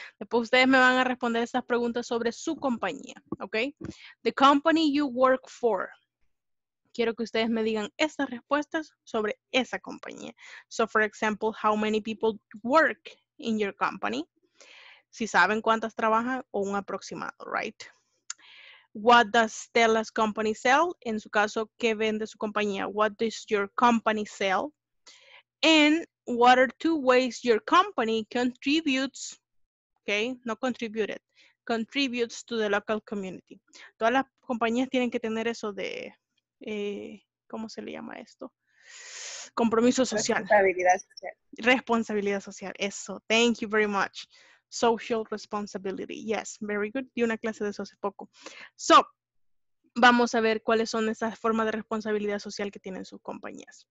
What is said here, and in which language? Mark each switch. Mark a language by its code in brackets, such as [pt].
[es] Después ustedes me van a responder esas preguntas sobre su compañía. ¿Ok? [en] The company you work for. [es] Quiero que ustedes me digan estas respuestas sobre esa compañía. [en] So, for example, how many people work in your company? [es] Si saben cuántas trabajan o un aproximado, right? [en] What does Stella's company sell? [es] En su caso, ¿qué vende su compañía? [en] What does your company sell? And what are two ways your company contributes, okay, no contributed, contributes to the local community? [es] Todas las compañías tienen que tener eso de, ¿cómo se le llama esto? Compromiso social. Responsabilidad social. Responsabilidad social, eso. [en] Thank you very much. Social responsibility. Yes, very good. [es] Di una clase de eso hace poco. So, vamos a ver cuáles son esas formas de responsabilidad social que tienen sus compañías.